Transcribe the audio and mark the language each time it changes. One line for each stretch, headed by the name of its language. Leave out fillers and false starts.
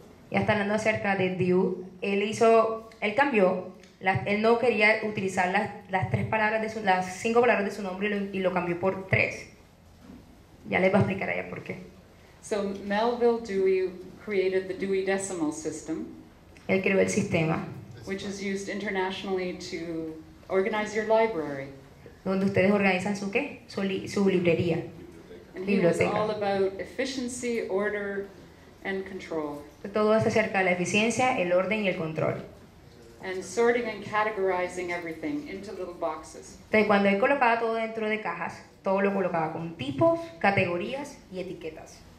Spanish: Ya está hablando acerca de Dewey. Él hizo, él cambió, él no quería utilizar las tres palabras de su, las cinco palabras de su nombre y lo cambió por tres. Ya les va a explicar allá por qué.
English: So Melville Dewey created the Dewey Decimal System.
Spanish: Él creó el sistema.
English: Which is used internationally to organize your library.
Spanish: Donde ustedes organizan su qué? Su librería.
English: And biblioteca. He was all about efficiency, order, and control.
Spanish: Todo es acerca de la eficiencia, el orden y el control.
English: And sorting and categorizing everything into little boxes.
Spanish: Entonces, cuando él colocaba todo dentro de cajas, todo lo colocaba con tipos, categorías y etiquetas.